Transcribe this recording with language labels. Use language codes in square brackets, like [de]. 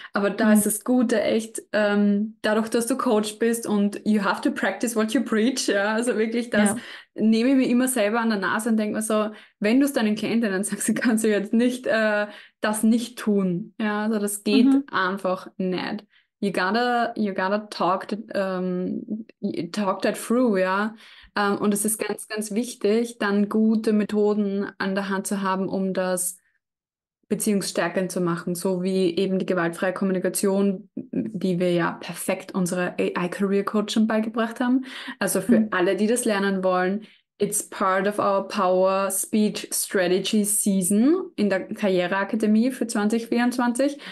[de] Aber da ist das Gute echt, dadurch, dass du Coach bist und [en] you have to practice what you preach, [de] ja, also wirklich das. Ja. Nehme ich mir immer selber an der Nase und denke mir so, wenn du es deinen Klienten dann sagst, kannst du jetzt nicht das nicht tun. Ja, also das geht einfach nicht. [en] You gotta talk that through, [de] ja. Und es ist ganz, ganz wichtig, dann gute Methoden an der Hand zu haben, um das beziehungsstärkend zu machen, so wie eben die gewaltfreie Kommunikation, die wir ja perfekt unserer AI-Career-Coaching beigebracht haben. Also für alle, die das lernen wollen, [en] it's part of our Power Speech Strategy Season [de] in der Karriereakademie für 2024.